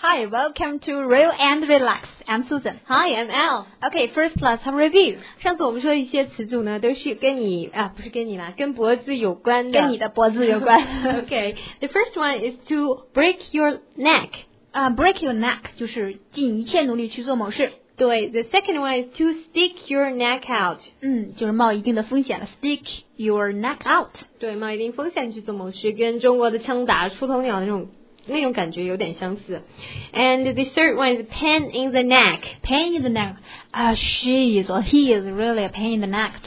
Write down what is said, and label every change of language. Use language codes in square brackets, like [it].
[en] Welcome to Real and Relax. I'm Susan. Hi, I'm Al. Okay, first let's have a review. [zh] 上次我们说一些词组呢，都是跟你啊，不是跟你啦，跟脖子有关的，跟你的脖子有关。 [en] Okay, the first one is to break your neck. Break your neck [zh] 就是尽一切努力去做某事。 [en] 对 ，the second one is to stick your neck out. [zh] 嗯，就是冒一定的风险了。 [en] Stick your neck out. [zh] 对，冒一定风险去做某事，跟中国的枪打出头鸟那种感觉有点相似。 [en] And the third one is pain in the neck. Pain in the neck、she is or he is really a pain in the neck.